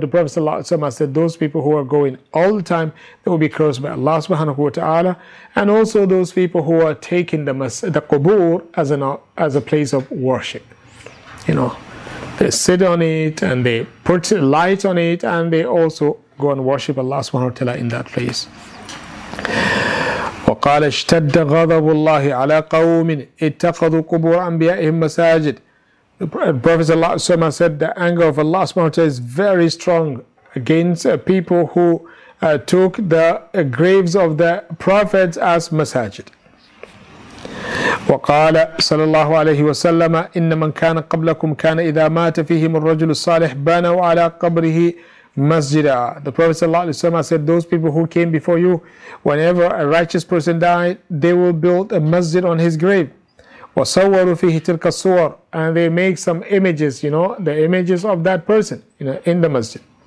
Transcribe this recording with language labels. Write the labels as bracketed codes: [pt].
[en] The Prophet sallallahu alaihi wasallam said those people who are going all the time, they will be cursed by Allah subhanahu wa ta'ala. And also those people who are taking the Qubur as a place of worship. You know, they sit on it and they put light on it and they also go and worship Allah subhanahu wa ta'ala in that place. [ar] وقال اشتد غضب الله على قوم اتخذوا قبور انبيائهم مساجد. [en] The Prophet صلى الله عليه وسلم said the anger of Allah subhanahu wa ta'ala is very strong against people who took the graves of the prophets as masajid. [ar] وقال صلى الله عليه وسلم ان من كان قبلكم كان اذا مات فيهم الرجل الصالح بنوا على قبره Masjid. [en] The Prophet sallallahu alaihi wasallam said, those people who came before you, whenever a righteous person died, they will build a masjid on his grave. [ar] وَصَوَّرُوا فِيهِ تِلْكَ الصُّوَرِ. [en] And they make some images, you know, the images of that person, you know, in the masjid.